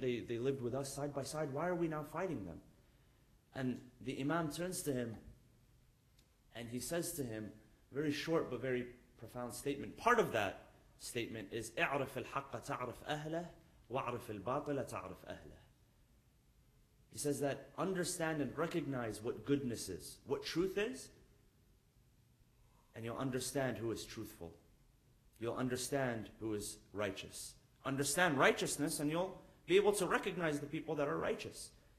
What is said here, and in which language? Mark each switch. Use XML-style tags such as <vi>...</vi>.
<en>They lived with us side by side. Why are we now fighting them? And the Imam turns to him and he says to him, very short but very profound statement. Part of that statement is,</en> <ar>اعرف الحق تعرف أهله واعرف الباطل تعرف أهله.</ar> <en>He says that understand and recognize what goodness is, what truth is, and you'll understand who is truthful. You'll understand who is righteous. Understand righteousness and you'll be able to recognize the people that are righteous.</en>